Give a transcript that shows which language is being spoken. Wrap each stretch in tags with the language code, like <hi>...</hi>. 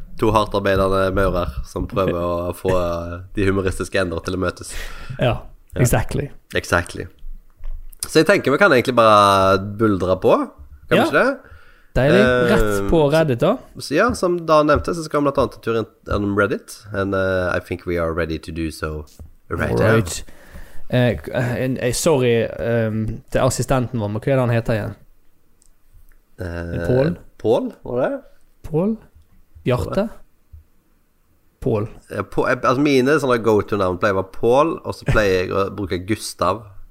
<no>To hardarbeidende maurer som prøver å få de humoristiske endene til å møtes.</no> <en>Ja, exactly. Exactly.</en> <no>Så jeg tenker vi kan egentlig bare buldre på, kan vi ikke det? Deilig, rett på Reddit da. Så, ja, som da nevnte, så skal vi blant annet en tur innom Reddit.</no> <en>And I think we are ready to do so right now. Right.</en> <no>Sorry, til assistenten vår, men hva er det han heter igjen? Paul? Paul, var det? Paul? Bjarte? Paul. Altså mine sånne go-to-navn pleier å være Paul, og så pleier jeg å bruke Gustav.</no>